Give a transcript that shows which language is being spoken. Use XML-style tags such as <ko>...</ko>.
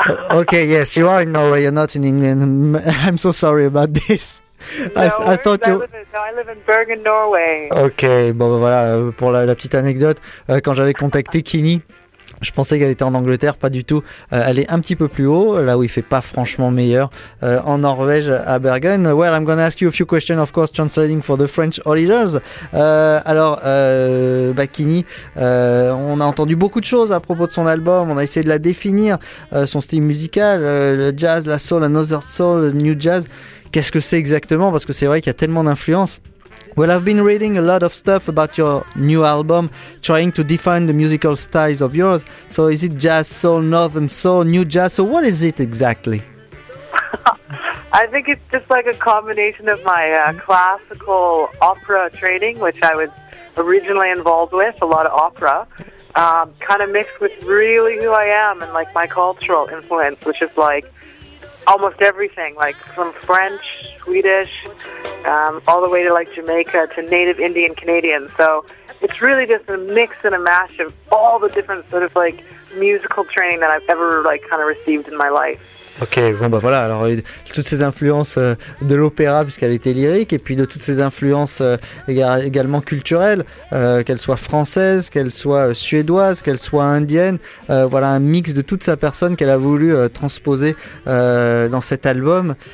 <en>Okay, yes, you are in Norway, you're not in England. I'm so sorry about this. No, I thought you... I live in Bergen, Norway.</en> <fr>Okay, bon ben voilà, pour la petite anecdote, quand j'avais contacté Kini, je pensais qu'elle était en Angleterre, pas du tout. Elle est un petit peu plus haut, là où il fait pas franchement meilleur, en Norvège, à Bergen.</fr> <en>Well, I'm gonna ask you a few questions, of course, translating for the French auditors.</en> <fr>Kini, on a entendu beaucoup de choses à propos de son album. On a essayé de la définir, son style musical, le jazz, la soul, another soul, le new jazz. Qu'est-ce que c'est exactement? Parce que c'est vrai qu'il y a tellement d'influences.</fr> <en>Well, I've been reading a lot of stuff about your new album, trying to define the musical styles of yours. So is it jazz, soul, northern soul, new jazz? So what is it exactly? I think it's just like a combination of my classical opera training, which I was originally involved with, a lot of opera, kind of mixed with really who I am and like my cultural influence, which is like almost everything, like from French, Swedish, all the way to like Jamaica to native Indian Canadian. So it's really just a mix and a mash of all the different sort of like musical training that I've ever like kind of received in my life. Ok.</en> <fr>Bon bah voilà, alors toutes ces influences de l'opéra puisqu'elle était lyrique, et puis de toutes ces influences également culturelles, qu'elles soient françaises, qu'elles soient suédoises, qu'elles soient indiennes, voilà un mix de toute sa personne qu'elle a voulu transposer dans cet album.</fr>